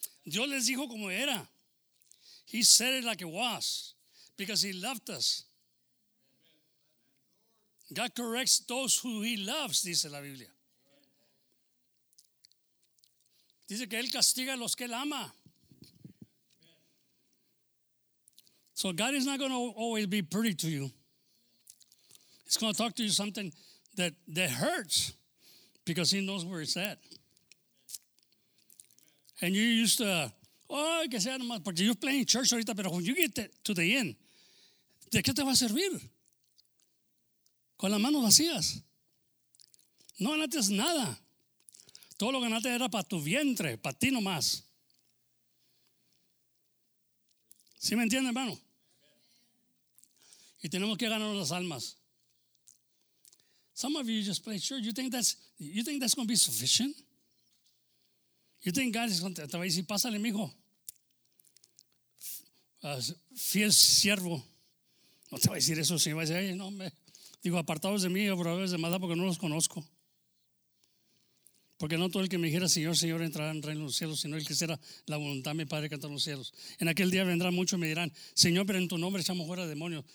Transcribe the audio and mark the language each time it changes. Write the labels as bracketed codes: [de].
[es] Dios les dijo como era. [en] He said it like it was. Because he loved us. God corrects those who he loves, [es] dice la Biblia. Dice que él castiga a los que él ama. [en] So God is not going to always be pretty to you. He's going to talk to you something that hurts. Because he knows where it's at. And you used to, [es] que sea nomás, porque [en] you're playing church [es] ahorita, pero [en] when you get to the end, [es] ¿de qué te va a servir? Con las manos vacías. No ganaste nada. Todo lo que ganaste era para tu vientre, para ti nomás. ¿Sí me entiende, hermano? Y tenemos que ganarnos las almas. [en] Some of you just play church. You think that's going to be sufficient? You think God is going to say, [es] pásale, mijo. Fiel siervo. No te va a decir eso, si va a decir, no, me digo, apartados de mí, obradores de maldad, porque no los conozco. Porque no todo el que me dijera, Señor, Señor, entrará en el reino de los cielos, sino el que hiciera la voluntad de mi Padre que está en los cielos. En aquel día vendrán muchos y me dirán, Señor, pero en tu nombre echamos fuera demonios.